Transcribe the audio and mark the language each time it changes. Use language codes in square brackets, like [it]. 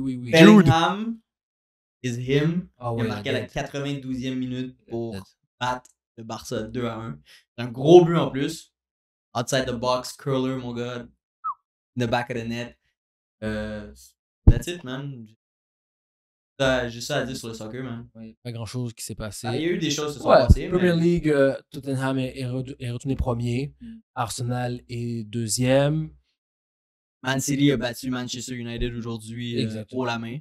[fr] Bellingham. [en] Is him. [fr] Oh, il a marqué à la 92e minute pour battre le Barça 2-1. C'est un gros but en plus. [en] Outside the box, curler, [fr] mon gars. [en] In the back of the net. That's it, man. [fr] J'ai ça à dire sur le soccer, man. Ouais, pas grand chose qui s'est passé. Il y a eu des choses qui se sont passées. Premier League, Tottenham est retourné premier. Arsenal est deuxième. Man City a battu Manchester United aujourd'hui pour la main.